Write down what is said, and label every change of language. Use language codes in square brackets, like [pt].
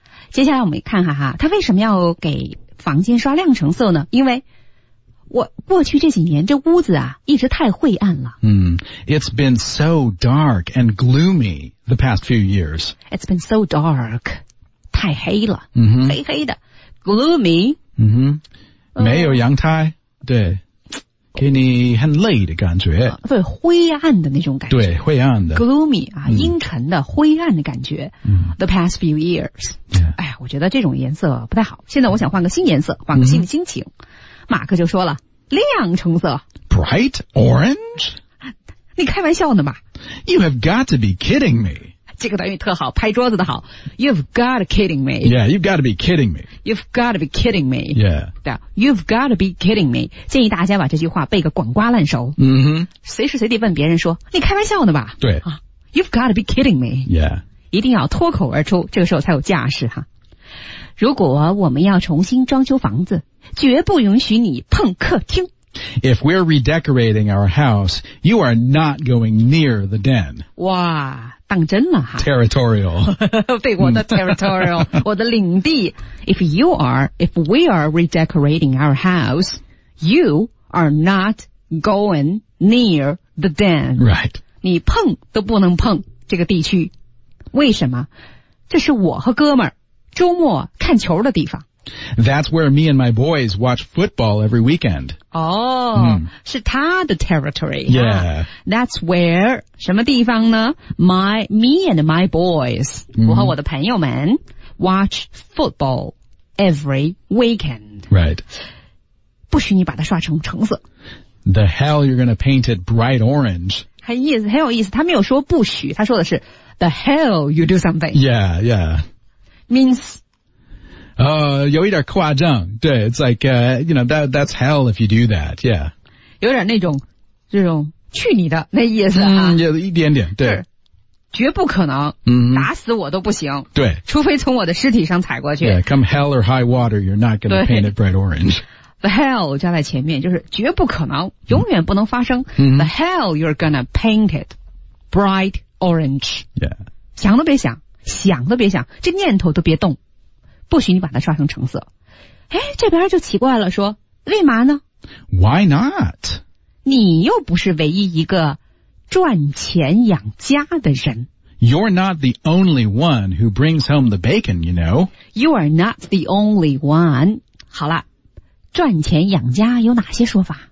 [zh] 接下来我们看看哈他为什么要给房间刷亮橙色呢因为我过去这几年这屋子啊一直太晦暗了。 [en] It's been so dark and gloomy the past few years. It's been so dark. [zh] 太黑了。 Mm-hmm. 黑黑的。Gloomy. 没有阳台。对。给你很累的感觉。对灰暗的那种感觉。对灰暗的。 Gloomy, 啊阴沉的灰暗的感觉。 [en] The past few years.、 Yeah. [zh] 哎我觉得这种颜色不太好。现在我想换个新颜色换个新的心情。马克就说了亮橙色 [en] Bright orange? [zh] 你开玩笑呢吗 [en] You have got to be kidding me [zh] 这个短语特好拍桌子的好 [en] You've got to kidding me Yeah, you've got to be kidding me You've got to be kidding me Yeah You've got to be kidding me [zh] 建议大家把这句话背个滚瓜烂熟、随时随地问别人说你开玩笑呢吧对、 [en] You've got to be kidding me Yeah [zh] 一定要脱口而出这个时候才有架势哈如果我们要重新装修房子，绝不允许你碰客厅。 [en] If we're redecorating our house, you are not going near the den. [zh] 哇，当真了哈。 [en] Territorial. [zh] 对，我的 territorial, 我的领地。 [en] If we are redecorating our house, you are not going near the den. Right. [zh] 你碰都不能碰这个地区。为什么？这是我和哥们儿周末看球的地方。 [en] That's where me and my boys watch football every weekend. [zh] Oh, 是他的 territory. [en] Yeah. That's where, [zh] 什么地方呢? [en] Me and my boys, [zh] 我和我的朋友们 [en] watch football every weekend. Right. [zh] 不许你把它刷成橙色。 [en] The hell you're going to paint it bright orange. [zh] 很有意思,他没有说不许,他说的是 [en] the hell you do something. Yeah, yeah. Means... [zh] 有一点夸张，对 [en] ,it's like, you know, that's hell if you do that, yeah. [zh] 有点那种这种去你的那意思啊。嗯，有一点点，对。绝不可能，打死我都不行。对。除非从我的尸体上踩过去。 [en] Yeah, come hell or high water, you're not gonna paint it bright orange. [zh] The hell 加在前面就是绝不可能，永远不能发生。 [en] The hell you're gonna paint it bright orange. Yeah. [zh] 想都别想，想都别想，这念头都别动。不许你把它刷成橙色。哎，这边就奇怪了，说为嘛呢 [en] ？Why not？ [zh] 你又不是唯一一个赚钱养家的人。 [en] You're not the only one who brings home the bacon, you know. You are not the only one. [zh] 好了，赚钱养家有哪些说法？